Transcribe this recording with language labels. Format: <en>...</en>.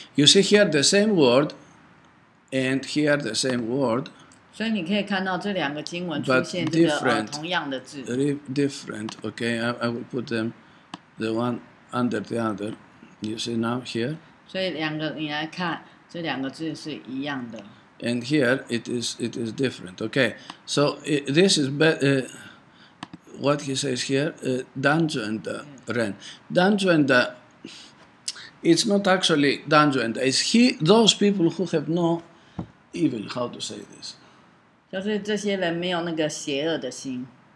<en>You see here the same word, and here the same word.</en> <zh>所以你可以看到这两个经文出现这个同样的字。</zh> <en>Different. Okay. I will put them, the one under the other. You see now here.</en> <zh>所以两个你来看，这两个字是一样的。</zh> <en>And here it is different. Okay, so this is what he says here. Danzo and Ren. Danzo and it's not actually Danzo and it's he. Those people who have no evil. How to say this?</en> <zh>就是这些人没有那个邪恶的心.</zh>